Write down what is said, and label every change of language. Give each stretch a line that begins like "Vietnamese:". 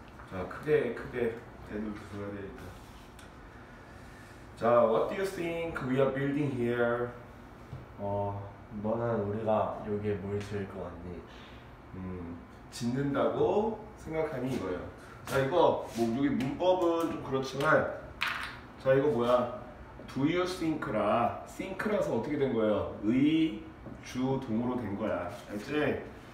Korean: 자 크게 대눈 들어야 되니까.
English: 자, what do you think we are building here?
Korean: 너는 우리가 여기에 뭘 지을 것 같니? 짓는다고 생각하니 이거예요. 자, 이거 뭐 여기 문법은 좀 그렇지만, 자, 이거 뭐야? Do you think라, think라서 어떻게 된 거예요? 의, 주, 동으로 된 거야. 알지?